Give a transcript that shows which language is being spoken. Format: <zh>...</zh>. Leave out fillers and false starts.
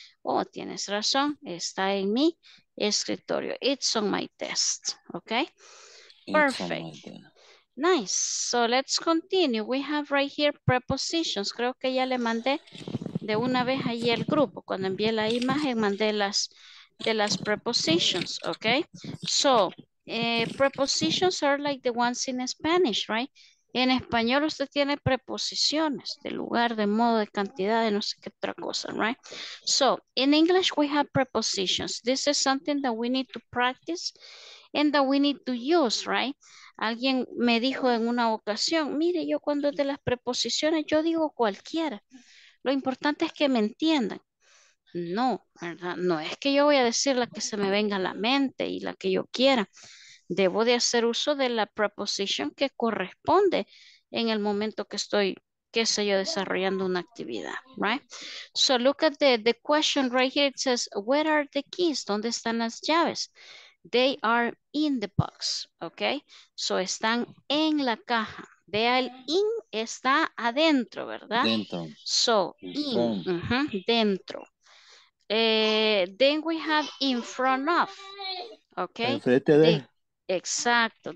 <es>Oh, tienes razón. Está en mi escritorio.</es> <en>It's on my desk. Okay. It's perfect. Nice. So let's continue. We have right here prepositions.</en> <es>Creo que ya le mandé de una vez ahí el grupo. Cuando envié la imagen, mandé las de las prepositions. Okay.</es> <en>So prepositions are like the ones in Spanish, right?</en> <es>En español usted tiene preposiciones de lugar, de modo, de cantidad, de no sé qué otra cosa, right?</es> <en>So, in English we have prepositions. This is something that we need to practice and that we need to use, right?</en> <es>Alguien me dijo en una ocasión, mire, yo cuando es de las preposiciones, yo digo cualquiera. Lo importante es que me entiendan. No, ¿verdad? No es que yo voy a decir la que se me venga a la mente y la que yo quiera. Debo de hacer uso de la preposición que corresponde en el momento que estoy, qué sé yo, desarrollando una actividad, right?</es> <en>So look at the question right here. It says, where are the keys?</en> <es>¿Dónde están las llaves?</es> <en>They are in the box, okay?</en> <es>So están en la caja. Vea, el in está adentro, ¿verdad? Dentro.</es> <en>So, in, dentro. Then we have in front of, okay? Exacto.</en>